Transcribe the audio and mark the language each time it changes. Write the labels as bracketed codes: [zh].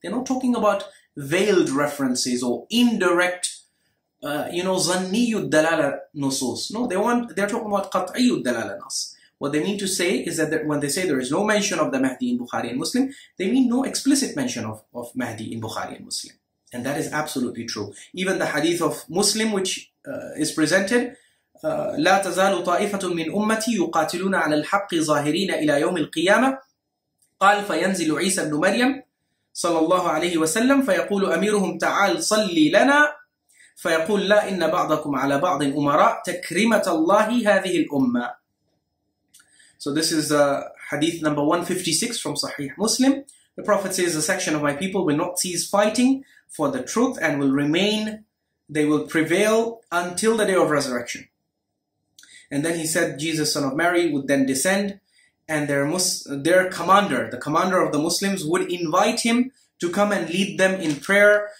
[en] They're not talking about veiled references or indirect, zanniyud dalala nusus. No, they're talking about qat'iyud dalala nas. What they mean to say is that when they say there is no mention of the Mahdi in Bukhari and Muslim, they mean no explicit mention of Mahdi in Bukhari and Muslim. And that is absolutely true. Even the hadith of Muslim, which is presented, [ar] لا تزال طائفة من أمتي يقاتلون على الحق ظاهرين إلى يوم القيامة قال فينزل عيسى بن مريم صلى الله عليه وسلم فيقول أميرهم تعال صلي لنا فيقول لا إن بعضكم على بعض أمراء تكرمة الله هذه الأمة. [en] So this is hadith number 156 from Sahih Muslim. The Prophet says, a section of my people will not cease fighting for the truth and will remain, they will prevail until the day of resurrection. And then he said, Jesus, son of Mary, would then descend, and their commander, the commander of the Muslims, would invite him to come and lead them in prayer.